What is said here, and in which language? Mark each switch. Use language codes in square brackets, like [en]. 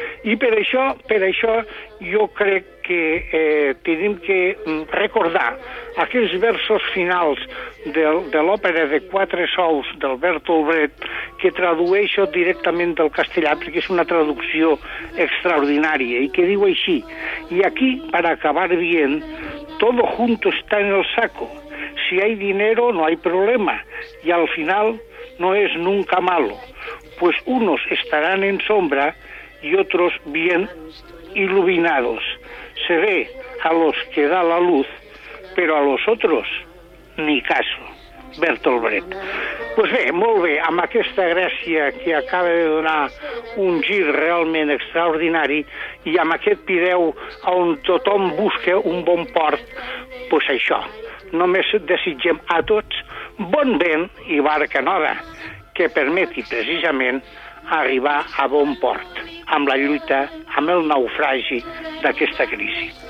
[ca] I per això jo crec que tenim que recordar aquells versos finals de l'òpera de Quatre Sous d'Albert Olbret, que tradueixo directament del castellà perquè és una traducció extraordinària, i que diu així: i aquí, per acabar bien, [es] todo junto está en el saco. Si hay dinero, no hay problema, y al final no es nunca malo, pues unos estarán en sombra y otros bien iluminados. Se ve a los que da la luz, pero a los otros ni caso. Bertolt Brecht. [ca] Pues bé, molt bé, amb aquesta gràcia que acaba de donar un gir realment extraordinari, i amb aquest pireu on tothom busca un bon port, pues això, només desitgem a tots bon vent i barca nova, que permeti precisament arribar a bon port amb la lluita, amb el naufragi d'aquesta crisi.